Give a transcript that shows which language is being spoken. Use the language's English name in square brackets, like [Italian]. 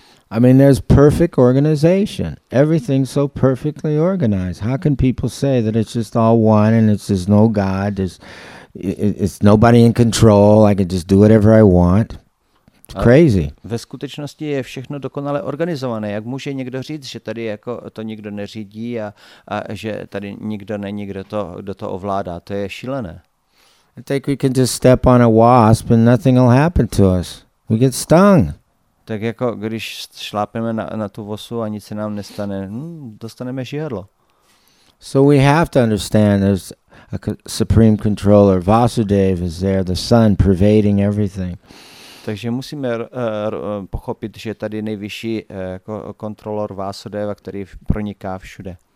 [English] I mean, there's perfect organization. Everything's so perfectly organized. How can people say that it's just all one and it's just no God? It's nobody in control. I can just do whatever I want. It's crazy. [Czech] Ve skutečnosti je všechno dokonale organizované. Jak může někdo říct, že tady jako to nikdo neřídí a že tady nikdo není, kdo to ovládá? To je šílené. [English] I think we can just step on a wasp and nothing will happen to us. We get stung. [Czech] Tak jako když šlápeme na tu vosu a nic se nám nestane, dostaneme žihadlo. [English] So we have to understand there's a supreme controller. Vasudev is there, the sun pervading everything. [Czech] Takže musíme pochopit, že tady nejvyšší jako kontrolor Vasudeva, který proniká všude.